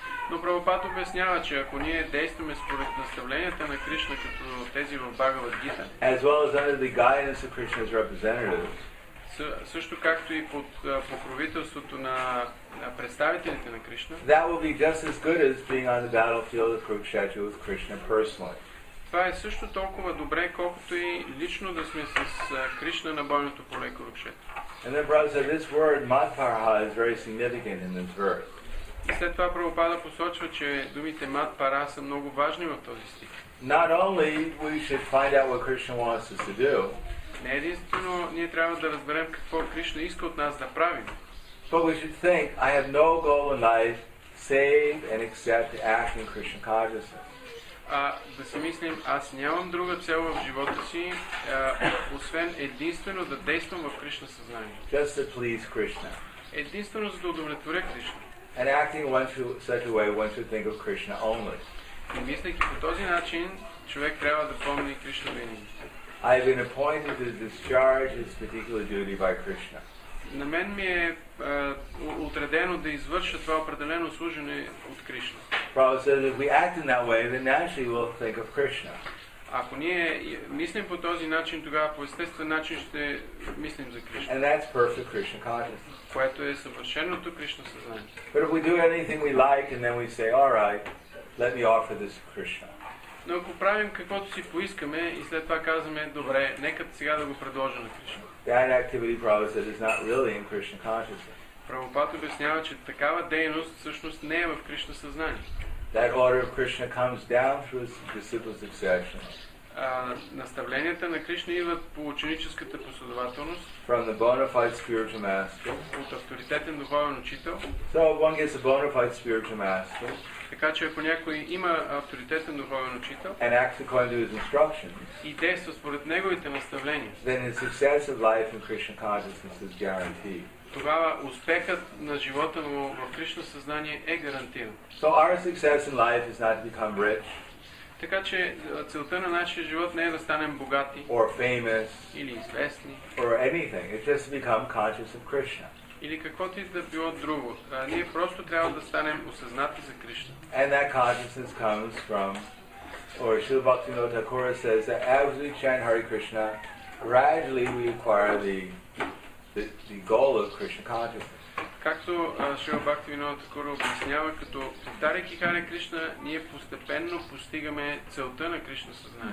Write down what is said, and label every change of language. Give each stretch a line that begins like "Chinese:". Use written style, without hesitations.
Bulgarian: Но Прабхупад обяснява, че ако ние действаме според наставленията на Кришна, като тези в Бхагавад Гита,
English: as well as under the guidance of Krishna's representatives,
Bulgarian: също както и под покровителството на представителите на Кришна.
English: That will be just as good as being on the battlefield of Kurukshetra with Krishna personally.
Bulgarian: Това е също толкова добре, колкото и лично да сме с Кришна на бойното поле Курукшетра.
English: And then brother said, this word Madhvarha is very significant in this verse.
Bulgarian: И след това Прабхупада посочва, че думите Мадхвара са много важни в този стих.
English: Not only we should find out what Krishna wants us to do.
Bulgarian: Не единствено ние трябва да разберем какво Кришна иска от нас да правим.
English: But we should think, I have no goal in life save and except to act in Krishna consciousness.
Bulgarian: А да си мислим, аз нямам друга цел в живота си, освен единствено да действам в Кришна съзнание.
English: Just to please Krishna.
Bulgarian: Единствено за да удовлетворя Кришна.
English: And acting one should, such a way one should think of Krishna only.
Bulgarian: И мислейки по този начин, човек трябва да помни Кришна винаги.
English: I have been appointed to discharge this particular duty by Krishna.
Bulgarian: На мен ми е отредено да извърша това определено служение от Кришна.
English: Prabhupada says if we act in that way, then naturally we'll think of Krishna.
Bulgarian: Ако ние мислим по този начин, тогава по естествен начин ще мислим за Кришна.
English: And that's perfect Krishna consciousness.
Bulgarian: Което е съвършеното Кришна съзнание.
English: But if we do anything we like and then we say, all right, let me offer this to Krishna.
Bulgarian: Но ако правим каквото си поискаме и след това казваме, добре, нека сега да го предложа на Кришна.
English: That activity Prabhupada says is not really in Krishna consciousness.
Bulgarian: Прабхупад обяснява, че такава дейност всъщност не е в Кришна съзнание.
English: That order of Krishna comes down through the disciples' succession.
Bulgarian: Наставленията на Кришна идват по ученическата последователност.
English: From the bona fide spiritual master.
Bulgarian: От авторитетен духовен учител.
English: So one gets a bona fide spiritual master.
Bulgarian: Така че ако някой има авторитетен духовен учител.
English: And acts according to his instructions.
Bulgarian: И действа според неговите наставления.
English: Then the success of life in Krishna consciousness is guaranteed.
Bulgarian: Тогава успехът на живота му в Кришна съзнание е гарантиран.
English: So our success in life is not to become rich.
Bulgarian: Така че целта на нашия живот не е да станем богати
English: or famous
Bulgarian: или известни
English: or anything. It's just to become conscious of Krishna.
Bulgarian: Или каквото и да било друго. Ние просто трябва да станем осъзнати за Кришна.
English: And that consciousness comes from or Śrīla Bhaktivinoda Thakura says that as we chant Hare Krishna, gradually we acquire the goal of Krishna consciousness.
Bulgarian: Както Шрила Бхактивинода Такура обяснява, като повтаряйки Харе Кришна, ние постепенно постигаме целта на Кришна съзнание.